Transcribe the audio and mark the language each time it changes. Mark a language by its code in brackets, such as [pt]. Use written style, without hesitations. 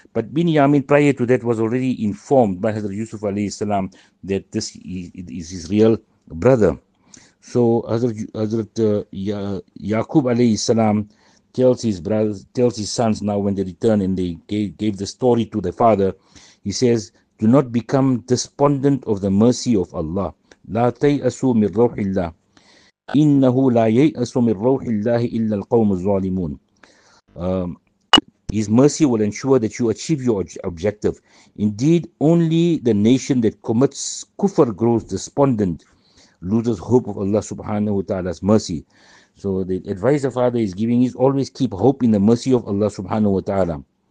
[en] But Binyamin, prior to that, was already informed by Hazrat Yusuf alayhi salam that this is his real brother. So Hazrat Yaqub alayhi salam tells his sons now, when they return and they gave the story to the father, he says, "Do not become despondent of the mercy of Allah. [ar] لا تيأسوا من روح الله. إنه لا ييأس من روح الله إلا القوم الظالمون." [en] His mercy will ensure that you achieve your objective. Indeed, only the nation that commits kufr grows despondent, loses hope of Allah subhanahu wa ta'ala's mercy. So the advice the father is giving is always keep hope in the mercy of Allah subhanahu wa ta'ala.